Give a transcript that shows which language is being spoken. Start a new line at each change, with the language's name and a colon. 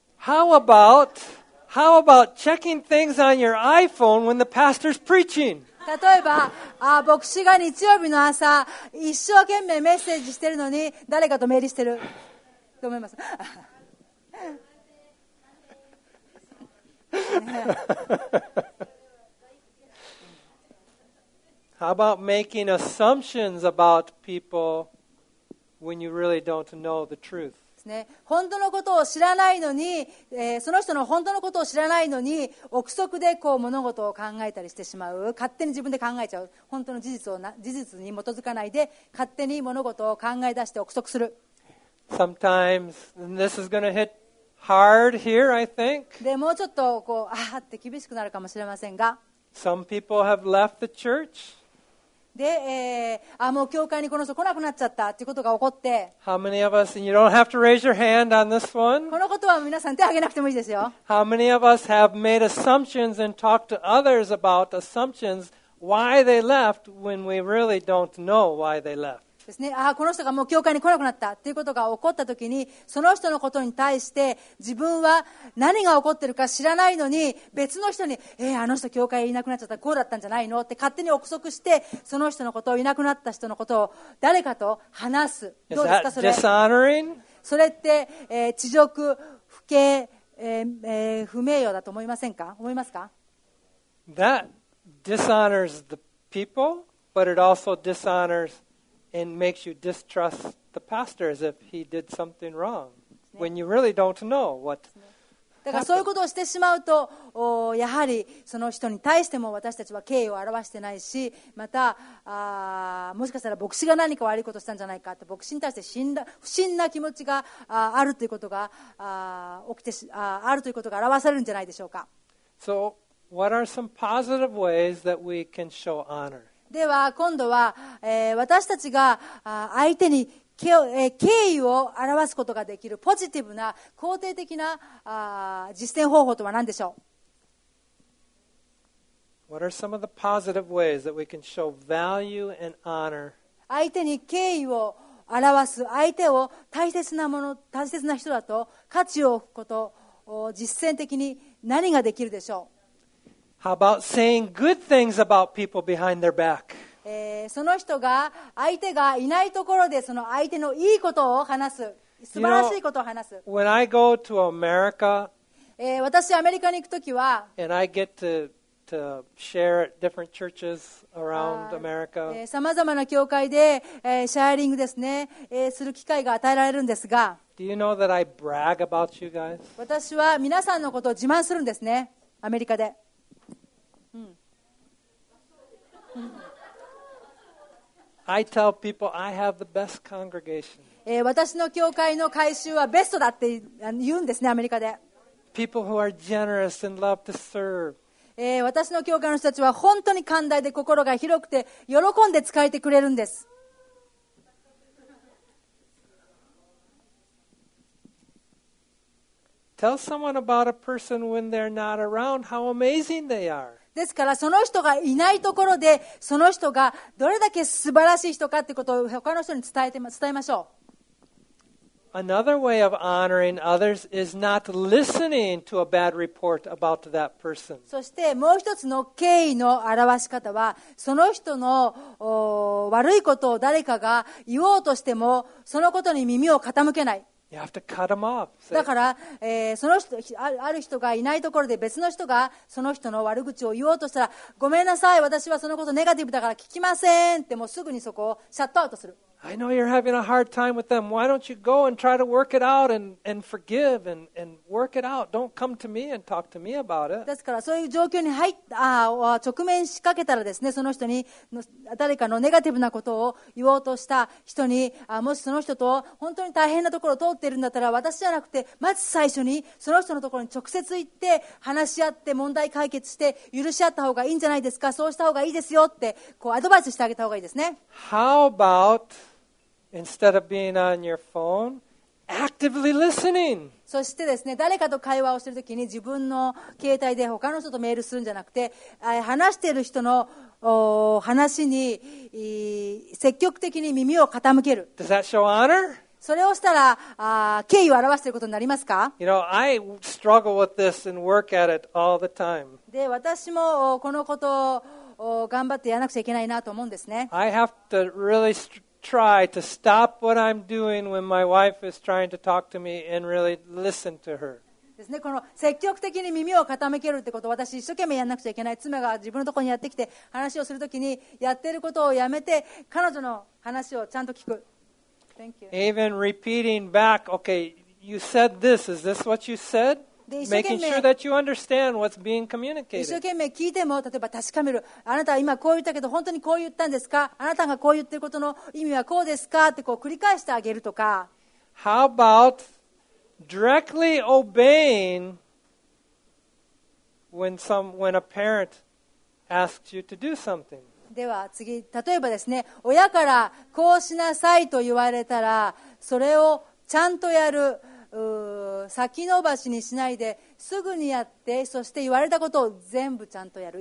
English: How about checking things on your iPhone when the pastor's preaching?
Japanese: 例えば、牧師が日曜日の朝、一生懸命メッセージしてるのに、誰かとメールしてる。と思います。
English: How about making assumptions about people when you really don't know the truth?
Japanese: 本当のことを知らないのに、その人の本当のことを知らないのに憶測でこう物事を考えたりしてしまう。勝手に自分で考えちゃう。本当の事実を、事実に基づかないで勝手に物事を考え出して憶測する。
English: Sometimes this is going to hitHard here, I think.
Japanese: でもうちょっとこうあって厳しくなるかもしれませんが、
English: Some people have left the church.
Japanese: で、もう教会にこの人来なくなっちゃったっていうことが起こって、
English: How many of us, and you don't have to raise your hand on this one.
Japanese: このことは皆さん手を挙げなくてもいいですよ。
English: How many of us have made assumptions and talked to others about assumptions why they left when we really don't know why they left?
Japanese: ですね、ああこの人がもう教会に来なくなったっていうことが起こったときに、その人のことに対して自分は何が起こってるか知らないのに、別の人に、あの人教会いなくなっちゃった、こうだったんじゃないのって勝手に憶測して、その人のことを、いなくなった人のことを誰かと話す。どうですかそれ？
English: Is that dishonoring?
Japanese: それって、恥辱、不敬、不名誉だと思いませんか？思いますか？
English: That dishonors the people, but it also dishonorsAnd makes you distrust the pastor as if he did something wrong when you really don't know what.
Japanese: だからそういうことをしてしまうと、やはりその人に対しても私たちは敬意を表してないし、また、もしかしたら牧師が何か悪いことしたんじゃないかって、牧師に対して不審な気持ちがあるということが起きてし、あるということが表されるんじゃないでしょうか。
English: So, what are some positive ways that we can show honor?
Japanese: では今度は、私たちが相手に敬意を表すことができるポジティブな肯定的な実践方法とは何でしょう？
English: What are some of the positive ways that we can show value and honor?
Japanese: 相手に敬意を表す、相手を大切なもの、大切な人だと価値を置くことを実践的に何ができるでしょう？
English: How about saying good things about people behind their back?
Japanese: その人が、相手がいないところでその相手のいいことを話す。素晴らしいことを話す。
English: You know, when I go to America,
Japanese: 私アメリカに行くときは、
English: and I get to to share at different churches around America.
Japanese: さまざまな教会で、シェアリングですね、する機会が与えられるんですが。
English: Do you know that I brag about you guys?
Japanese: 私は皆さんのことを自慢するんですね、アメリカで。
English: I tell people I have the best congregation.
Japanese: 私の教会の改修はベストだって言うんですね、アメリカで。
English: People who are generous and love to serve.
Japanese: 私の教会の人たちは本当に寛大で心が広くて喜んで使えてくれるんです。
English: Tell someone about a person when they're not around how amazing they are.
Japanese: ですからその人がいないところでその人がどれだけ素晴らしい人かってことを他の人に伝えましょう。
English: Another way of honoring others is not listening to a bad report about that person.
Japanese: そしてもう一つの敬意の表し方はその人の悪いことを誰かが言おうとしてもそのことに耳を傾けない。
English: You have to cut them off.
Japanese: だから、その人、ある人がいないところで別の人がその人の悪口を言おうとしたら、ごめんなさい、私はそのことネガティブだから聞きませんって、もうすぐにそこをシャットアウトする。
English: I know you're having a hard time with them. Why don't you go and try to work it out and forgive and work it out? Don't come to me and talk to me about it.
Japanese: ですからそういう状況に入った直面しかけたらですね、その人に誰かのネガティブなことを言おうとした人に、もしその人と本当に大変なところを通っているんだったら、私じゃなくてまず最初にその人のところに直接行って話し合って問題解決して許し合った方がいいんじゃないですか、そうした方がいいですよってこうアドバイスしてあげた方がいいですね。
English: How aboutInstead of being on your phone, actively listening.
Japanese: そしてですね、誰かと会話をしているときに自分の携帯で他の人とメールするんじゃなくて、話している人の話に積極的に耳を傾ける。
English: Does that show honor?
Japanese: それをしたら敬意を表していることになりますか?
English: You know, I struggle with this and work at it all the time.
Japanese: で、私もこのことを頑張ってやらなくちゃいけないなと思うんですね。
English: I have to really try to stop what I'm doing when my wife is trying to talk to me and really listen to her.
Japanese: ですね、この積極的に耳を傾けるってこと、私一生懸命やらなくちゃいけない、妻が自分のところにやってきて話をするときにやってることをやめて彼女の話をちゃんと聞く。
English: Thank you. Even repeating back, okay, you said this, is this what you said? Making sure that you understand what's being communicated.
Japanese: 一生懸命聞いても、例えば確かめる。あなたは今こう言ったけど、本当にこう言ったんですか? あなたがこう言ってることの意味はこうですか?ってこう繰り返してあげるとか。
English: How about directly obeying when a parent asks you to do something?
Japanese: では次、例えばですね、親からこうしなさいと言われたら、それをちゃんとやる。先延ばしにしないですぐにやって、そして言われたことを全部ちゃんとやる。